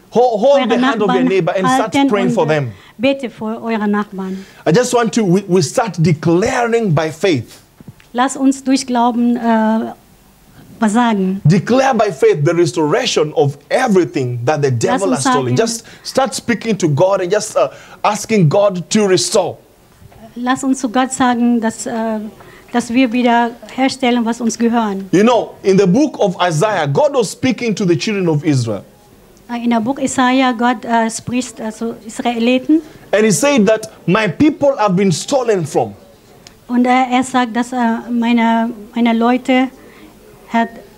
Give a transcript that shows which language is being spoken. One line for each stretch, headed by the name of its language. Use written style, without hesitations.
English: hold the hand of your neighbor and start praying for them.
German: Bitte für eure Nachbarn.
English: I just want to. We start declaring by faith.
German: Lass uns durch Glauben was sagen.
English: Declare by faith the restoration of everything that the devil has stolen. Just start speaking to God and just asking God to restore.
German: Lass uns zu Gott sagen, dass wir wieder herstellen, was uns gehören.
English: You know, in the book of Isaiah, God was speaking to the children of Israel.
German: In der Buch Isaiah, Gott spricht zu Israeliten.
English: And he said that my people have been stolen from.
German: Und er sagt, dass meine Leute hat.